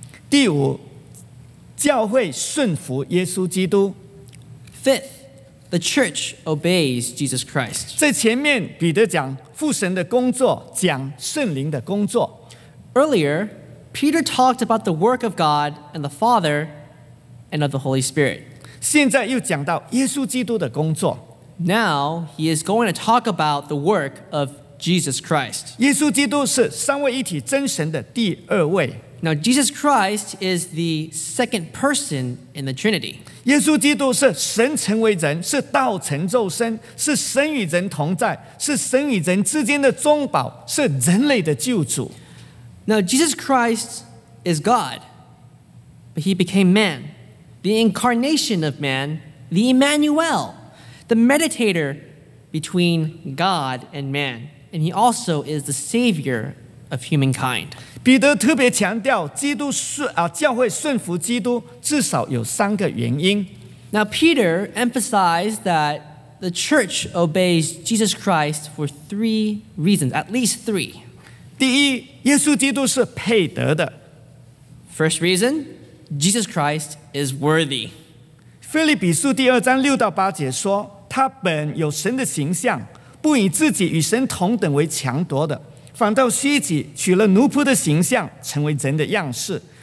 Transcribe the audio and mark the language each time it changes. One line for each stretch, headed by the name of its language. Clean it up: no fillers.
Chinese: 第五，教会顺服耶稣基督。
English: Fifth, the church obeys Jesus Christ.
Chinese: 在前面，彼得讲父神的工作，讲圣灵的工作。
English: Earlier, Peter talked about the work of God and the Father and of the Holy Spirit.
Chinese: 现在又讲到耶稣基督的工作。
English: Now, he is going to talk about the work of Jesus Christ.
Chinese: 耶稣基督是三位一体真神的第二位。
English: Now, Jesus Christ is the second person in the Trinity.
Chinese: 耶稣基督是神成为人，是道成肉身，是神与人同在，是神与人之间的中保，是人类的救主。
English: Now, Jesus Christ is God, but he became man, the incarnation of man, the Emmanuel, the mediator between God and man, and he also is the savior of humankind.
Chinese: 彼得特别强调基督教会顺服基督至少有三个原因。
English: Now, Peter emphasized that the church obeys Jesus Christ for three reasons, at least three.
Chinese: 第一，耶稣基督是配得的。
English: First reason, Jesus Christ is worthy.
Chinese: 腓立比书第二章六到八节说，他本有神的形象，不以自己与神同等为强夺的，反倒虚己，取了奴仆的形象，成为人的样式。